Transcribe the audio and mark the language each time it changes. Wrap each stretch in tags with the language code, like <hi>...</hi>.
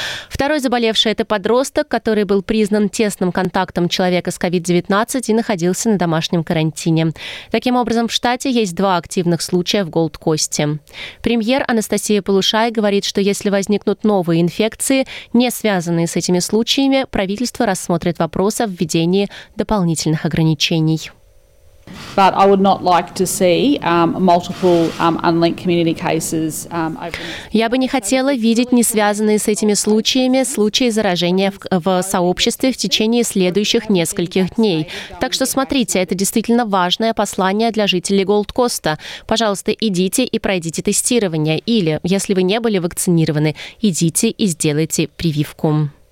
<ru>Второй заболевший – это подросток, который был признан тесным контактом человека с COVID-19 и находился на домашнем карантине. Таким образом, в штате есть два активных случая в Голд-Косте. Премьер Анастасия Полушай говорит, что если возникнут новые инфекции, не связанные с этими случаями, правительство рассмотрит вопрос о введении дополнительных ограничений.</ru> <en>But I would not like to see multiple unlinked community cases.</en> <ru>Я бы не хотела видеть не связанные с этими случаями случаи заражения в сообществе в течение следующих нескольких дней. Так что смотрите, это действительно важное послание для жителей Голд-Коста. Пожалуйста, идите и пройдите тестирование. Или, если вы не были вакцинированы, идите и сделайте прививку.</ru>